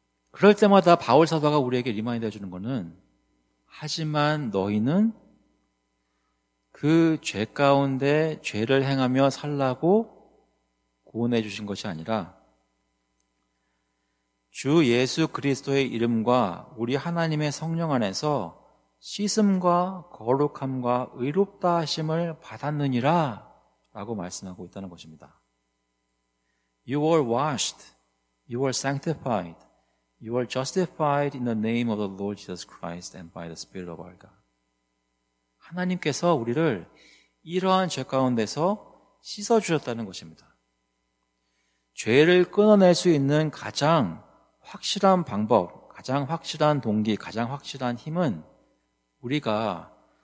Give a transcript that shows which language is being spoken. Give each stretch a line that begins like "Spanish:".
Korean: 그럴 때마다 바울 사도가 우리에게 리마인드 해주는 거는 하지만 너희는 그 죄 가운데 죄를 행하며 살라고 구원해 주신 것이 아니라 주 예수 그리스도의 이름과 우리 하나님의 성령 안에서 씻음과 거룩함과 의롭다 하심을 받았느니라 라고 말씀하고 있다는 것입니다.
English: You were washed, you were sanctified. You are justified in the name of the Lord Jesus Christ and by the Spirit of our God.
Korean: 하나님께서 우리를 이러한 죄 가운데서 씻어주셨다는 것입니다. 죄를 끊어낼 수 있는 가장 확실한 방법, 가장 확실한 동기, 가장 확실한 힘은 우리가